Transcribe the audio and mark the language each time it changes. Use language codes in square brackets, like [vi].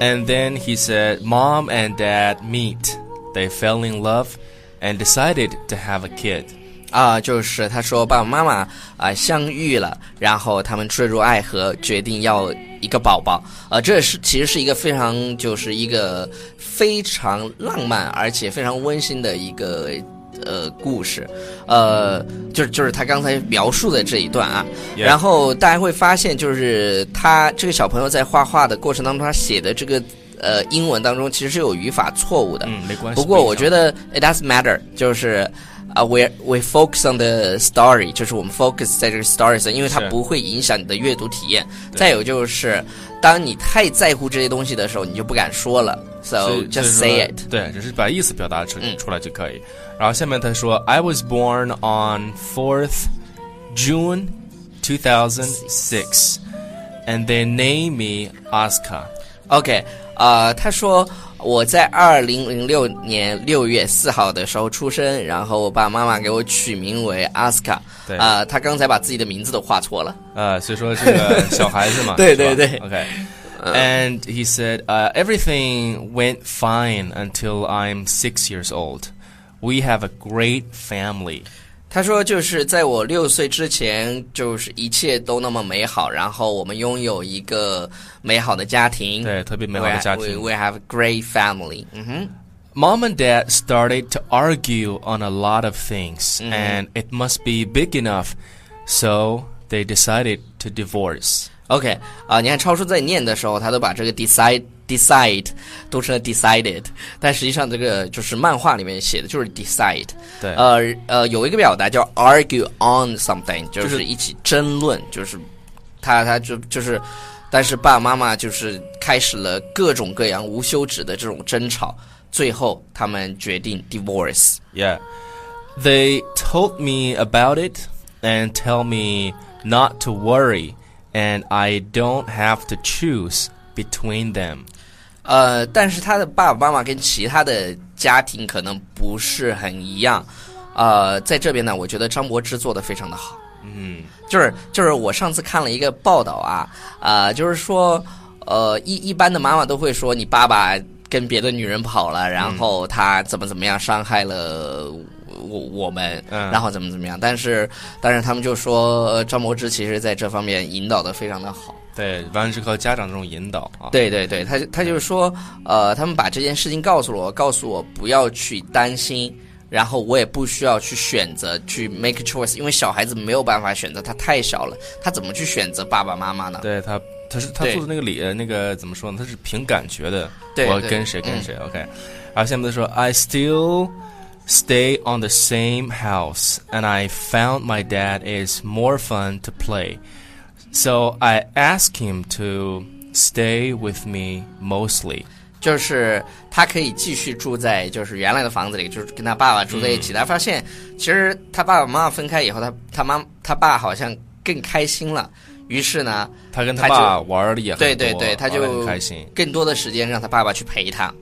[en] ，And then he said, Mom and Dad meet, they fell in love, and decided to have a kid. [zh] 就是他说爸爸妈妈相遇了，然后他们坠入爱河，决定要一个宝宝。这是其实是一个非常就是一个非常浪漫而且非常温馨的一个故事。就是他刚才描述的这一段啊。 [en] Yeah. [zh] 然后大家会发现，就是他这个小朋友在画画的过程当中，他写的这个英文当中其实是有语法错误的。嗯，没关系。不过我觉得 it doesn't matter，就是 we focus on the story，就是我们 focus 在这个 story 上，因为它不会影响你的阅读体验。再有就是当你太在乎这些东西的时候，你就不敢说了， so just say it。对，就是把意思表达出来就可以。 [en] 然后下面他说 I was born on 4th June 2006 and they named me Azka。 [zh] OK， 他说我在2006年6月4号的时候出生，然后我爸妈妈给我取名为 Azka。对，他刚才把自己的名字都画错了，所以说这个小孩子嘛。对对对。 [en] OK， and he said everything went fine until I'm 6 years old. We have a great family. [zh] 他说就是在我六岁之前，就是一切都那么美好，然后我们拥有一个美好的家庭，对，特别美好的家庭。 [en] We have a great family. Mom and Dad started to argue on a lot of things, and it must be big enough, so they decided to divorce. [zh] OK， 你看超叔在念的时候，他都把这个 decide 读成了 decided， 但实际上这个就是漫画里面写的就是 decide。对，有一个表达叫 argue on something，就是一起争论，就是他就是但是爸爸妈妈就是开始了各种各样无休止的这种争吵，最后他们决定 divorce。 [en] Yeah， they told me about it and tell me not to worry and I don't have to choose between them。 [zh] 但是他的爸爸妈妈跟其他的家庭可能不是很一样。在这边呢，我觉得张柏芝做得非常的好。嗯，就是我上次看了一个报道啊，就是说一般的妈妈都会说你爸爸跟别的女人跑了，然后他怎么怎么样伤害了我们、嗯、然后怎么怎么样，但是他们就说张柏芝其实在这方面引导得非常的好。对，完全是靠家长这种引导啊。对对对，他就是说，他们把这件事情告诉我，不要去担心，然后我也不需要去选择去 make a choice，因为小孩子没有办法选择，他太小了，他怎么去选择爸爸妈妈呢？对，他是他做的那个理那个怎么说呢，他是凭感觉的，对，我跟谁跟谁、OK。 [en] 然后下面他说 I still stay on the same house and I found my dad is more fun to play so I ask him to stay with me mostly， [zh] 就是他可以继续住在就是原来的房子里，就是跟他爸爸住在一起。他发现其实他爸爸妈妈分开以后，他爸好像更开心了。于是呢，他跟他爸玩的也很多，对对对，他就开心，更多的时间让他爸爸去陪他。